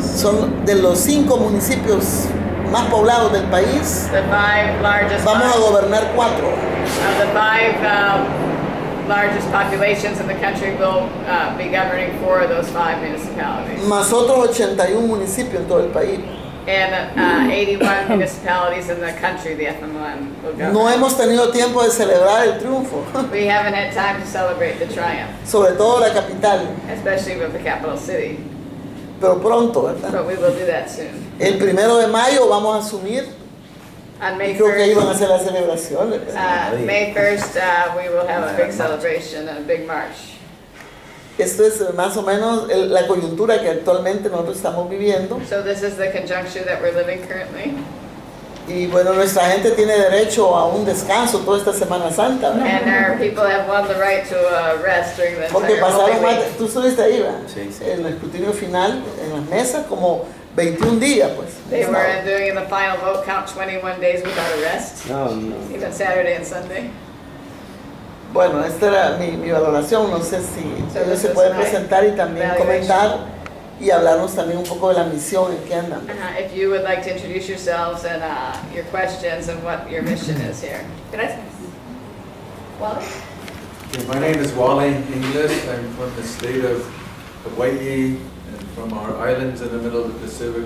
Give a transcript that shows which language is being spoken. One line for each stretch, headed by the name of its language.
Spanish: Son de los cinco municipios más poblados del país.
English: The five largest.
Spanish: Vamos a gobernar cuatro.
English: Of the five largest populations in the country, will be governing four of those five municipalities.
Spanish: Más otros 81 municipios en todo el país.
English: And 81 municipalities in the country, the FMLN will govern.
Spanish: No hemos tenido tiempo de celebrar el triunfo.
English: We haven't had time to celebrate the triumph.
Spanish: Sobre todo la capital.
English: Especially with the capital city.
Spanish: Pero pronto, ¿verdad?
English: But we will do that soon.
Spanish: El primero de mayo vamos a asumir.
English: On May 1st.
Spanish: Creo que ahí van a hacer las celebraciones.
English: May 1st, we will have a big celebration, a big march.
Spanish: Esto es más o menos la coyuntura que actualmente nosotros estamos viviendo.
English: So this is the conjuncture that we're living currently.
Spanish: Y bueno, nuestra gente tiene derecho a un descanso toda esta Semana Santa, ¿no?
English: And our people have won the right to rest during the
Spanish: Porque
English: entire holy week.
Spanish: Porque pasaron más, tú estuviste ahí, ¿verdad? Sí, sí. En el escrutinio final, en las mesas, como 21 días, pues.
English: They were doing in the final vote count 21 days without a rest.
Spanish: No.
English: Even Saturday and Sunday.
Spanish: Bueno, esta era mi valoración. No sé si ellos se pueden presentar y también comentar y hablarnos también un poco de la misión en que andan.
English: If you would like to introduce yourselves and your questions and what your mission is here.
Spanish: Gracias. Wally?
English: Okay, my name is Wally Inglis. I'm from the state of Hawaii and from our islands in the middle of the Pacific.